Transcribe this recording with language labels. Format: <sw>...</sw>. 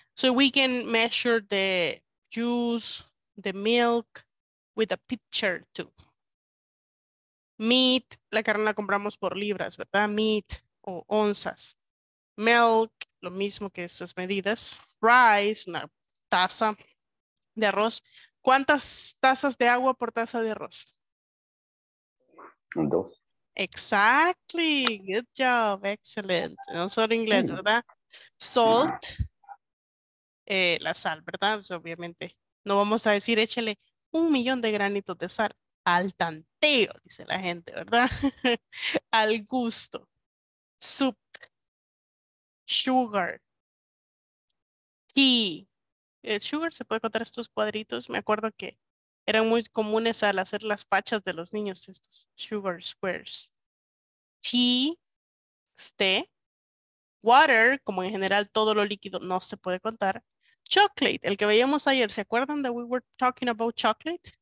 <en>So we can measure the juice, the milk, with a pitcher too.</en> <es>Meat, la carne la compramos por libras, ¿verdad? Meat o onzas. Milk, lo mismo que esas medidas. Rice, una taza de arroz. ¿Cuántas tazas de agua por taza de arroz? Dos.</es> <en>Exactly. Good job. Excellent.</en> <es>No solo inglés, ¿verdad? Salt. La sal, ¿verdad? Pues obviamente. No vamos a decir échale un millón de granitos de sal al tanteo, dice la gente, ¿verdad? Al gusto. Soup. Sugar. Tea. El sugar se puede contar estos cuadritos. Me acuerdo que eran muy comunes al hacer las pachas de los niños estos.</es> <en>Sugar squares. Tea.</en> <es>Té.</es> <en>Water.</en> <es>Como en general todo lo líquido no se puede contar. Chocolate. El que veíamos ayer. ¿Se acuerdan</es> <en>that we were talking about chocolate?</en>